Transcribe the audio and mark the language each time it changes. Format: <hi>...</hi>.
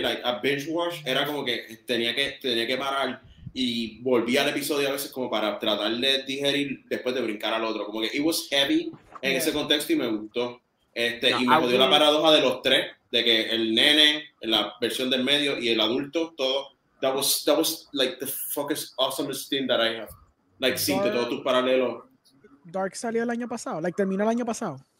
<es>Like, a binge watch era como que tenía que parar y volví al episodio a veces como para tratar de digerir después de brincar al otro. Como que</es> <en>it was heavy</en> <es>en ese contexto y me gustó. Y me jodió la paradoja de los tres, de que el nene, la versión del medio y el adulto, todo.</es> <en>That was like the fucking awesomest thing that I have.</en> <es>Like, sin de todos tus paralelos. Dark salió el año pasado, like terminó el año pasado.</es>